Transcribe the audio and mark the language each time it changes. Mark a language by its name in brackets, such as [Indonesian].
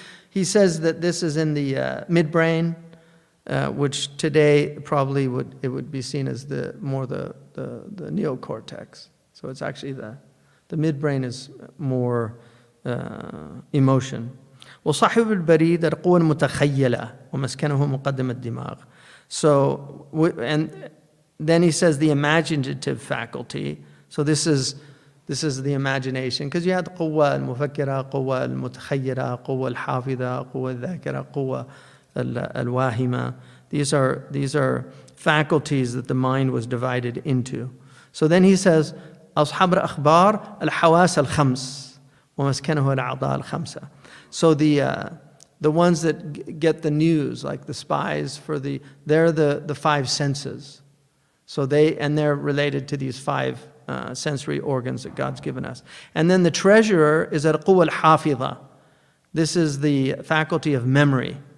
[English] He says that this is in the midbrain, which today probably would be seen as the neocortex. So it's actually the midbrain is more emotion. [Arabic] وصاحب البريد القوى المتخيلة ومسكنه مقدم الدماغ. [English] So and then he says the imaginative faculty. So this is the imagination, because you had [Arabic] قوى المفكرة, قوى المتخيلة, قوى الحافظة, قوى الذاكرة, قوى الواهمة. [English] These are faculties that the mind was divided into. So then he says [Arabic] أصحاب الأخبار الحواس الخمس ومسكنه الأعضاء الخمسة. [English] So the ones that get the news, like the spies, they're the five senses. So they're related to these five sensory organs that God's given us. And then the treasurer is al-quwwa al-hafidha. This is the faculty of memory.